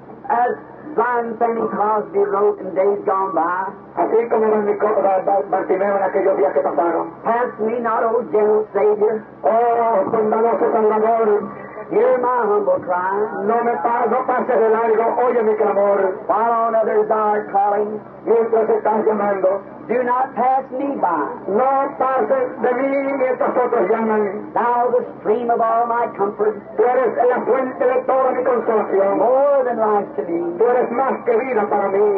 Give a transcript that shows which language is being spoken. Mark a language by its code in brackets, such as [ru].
[en] As blind Fanny Crosby wrote in days gone by, [es] así como en mi Bartimeo en aquellos días que pasaron, [en] pass me not, O gentle Savior, [es] oh, bondadoso Salvador, [en] hear my humble cry, [es] no pase de largo, oye mi clamor, [en] while on others are calling, [es] mientras están llamando, [en] do not pass me by, [es] no pase de mí mientras otros llaman, [en] thou the stream of all my comfort, [es] tú eres la fuente de toda mi consolación, [en] more than life to me, [es] tú eres más que vida para mí,